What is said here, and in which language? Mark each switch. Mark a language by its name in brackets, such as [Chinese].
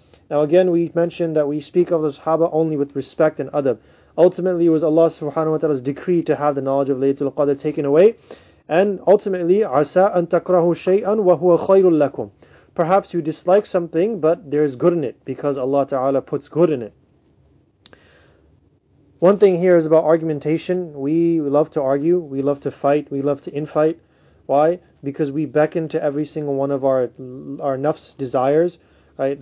[English] Now again, we mentioned that we speak of the Sahaba only with respect and adab. Ultimately, it was Allah subhanahu wa ta'ala's decree to have the knowledge of Laylatul Qadr taken away. And ultimately, [Arabic] عَسَىٰ أَن تَكْرَهُ شَيْئًا وَهُوَ خَيْرٌ لَكُمْ. [English] Perhaps you dislike something, but there is good in it, because Allah Ta'ala puts good in it. One thing here is about argumentation. We love to argue, we love to fight, we love to infight. Why? Because we beckon to every single one of our nafs' desires. Right?